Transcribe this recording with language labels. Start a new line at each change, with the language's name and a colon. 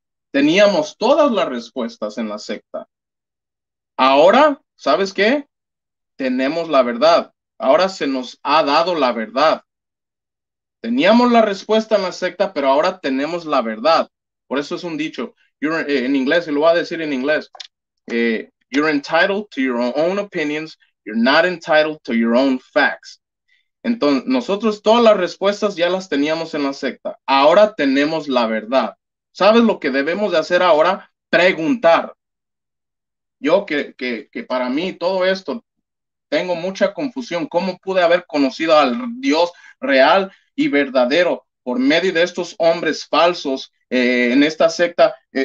Spanish: Teníamos todas las respuestas en la secta. Ahora, ¿sabes qué? Tenemos la verdad. Ahora se nos ha dado la verdad. Teníamos la respuesta en la secta, pero ahora tenemos la verdad. Por eso es un dicho. En inglés, y lo voy a decir en inglés.
English: You're entitled to your own opinions. You're not entitled to your own facts.
Spanish: Entonces, nosotros todas las respuestas ya las teníamos en la secta. Ahora tenemos la verdad. ¿Sabes lo que debemos de hacer ahora? Preguntar. Yo que para mí todo esto, tengo mucha confusión. ¿Cómo pude haber conocido al Dios real y verdadero por medio de estos hombres falsos en esta secta?